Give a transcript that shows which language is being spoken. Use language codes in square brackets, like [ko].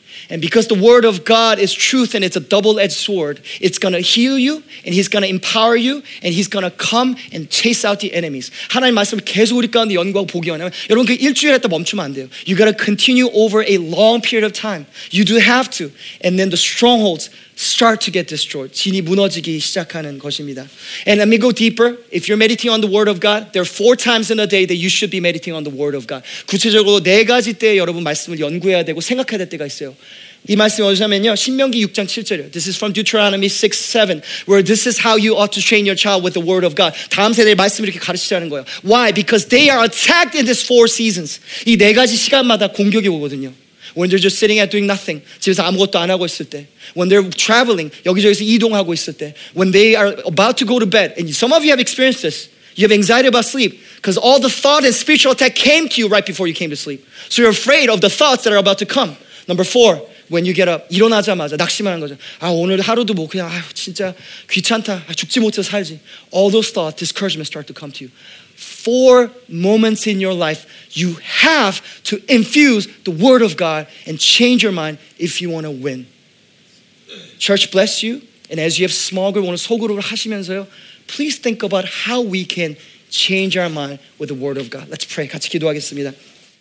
[en] And because the word of God is truth and it's a double-edged sword, it's going to heal you and he's going to empower you and he's going to come and chase out the enemies. [ko] 하나님 말씀을 계속 우리 가운데 연구하고 보기 원하면 여러분 그 일주일 했다 멈추면 안 돼요. [en] You got to continue over a long period of time. You do have to. And then the strongholds start to get destroyed. [ko] 진이 무너지기 시작하는 것입니다. [en] And let me go deeper. If you're meditating on the word of God, there are 4 times in a day that you should be meditating on the word of God. [ko] 구체적으로 네 가지 때 여러분 말씀을 연구해야 되고 생각해야 될 때가 있어요. 이 말씀이 어디냐면요. 신명기 6장 7절이요. [en] This is from Deuteronomy 6, 7, where this is how you ought to train your child with the word of God. [ko] 다음 세대에 말씀을 이렇게 가르치자는 거예요. [en] Why? Because they are attacked in these 4 seasons. [ko] 이 네 가지 시간마다 공격이 오거든요. [en] When they're just sitting at doing nothing, [ko] 집에서 아무것도 안 하고 있을 때, [en] when they're traveling, [ko] 여기저기서 이동하고 있을 때, [en] when they are about to go to bed, and some of you have experienced this, you have anxiety about sleep, because all the thought and spiritual attack came to you right before you came to sleep. So you're afraid of the thoughts that are about to come. Number 4, when you get up, [ko] 일어나자마자 낙심하는 거죠. 아, 오늘 하루도 뭐 그냥 아유, 진짜 귀찮다, 아, 죽지 못해서 살지. [en] All those thoughts, discouragement start to come to you. 4 moments in your life, you have to infuse the word of God and change your mind if you want to win. Church bless you. And as you have small group, [ko] 오늘 소그룹을 하시면서요, [en] please think about how we can change our mind with the word of God. Let's pray. [ko] 같이 기도하겠습니다.